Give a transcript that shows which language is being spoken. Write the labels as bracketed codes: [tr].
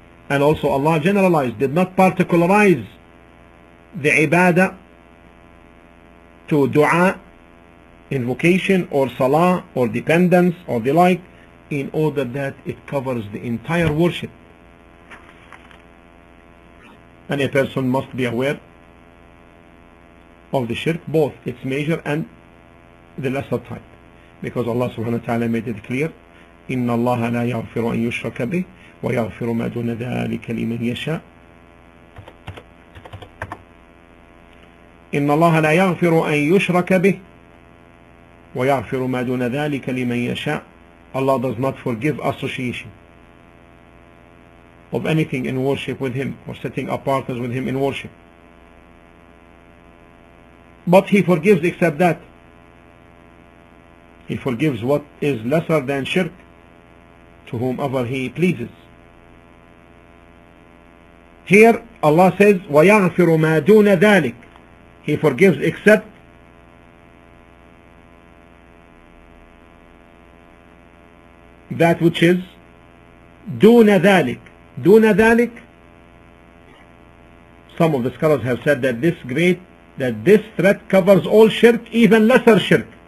[en] And also Allah generalized, did not particularize the ibadah to dua, invocation or salah or dependence or the like, in order that it covers the entire worship. And a person must be aware of the shirk, both its major and the lesser type. Because Allah subhanahu wa ta'ala made it clear, [ar] إِنَّ اللَّهَ لَا يَغْفِرُ أَن يُشْرَكَ بِهِ وَيَغْفِرُ مَا دُونَ ذَٰلِكَ لِمَنْ يَشَاءُ. إِنَّ اللَّهَ لَا يَغْفِرُ أَن يُشْرَكَ بِهِ وَيَغْفِرُ مَا دُونَ ذَٰلِكَ لِمَنْ يَشَاءُ. [en] Allah does not forgive association of anything in worship with Him or setting up partners with Him in worship. But He forgives except that. He forgives what is lesser than shirk to whomever He pleases. Here Allah says, [ar] وَيَغْفِرُ مَا دُونَ ذَٰلِكَ. [en] He forgives except that which is [ar] دُونَ ذَٰلِكَ. دُونَ ذَٰلِكَ, [en] some of the scholars have said that this threat covers all shirk, even lesser shirk.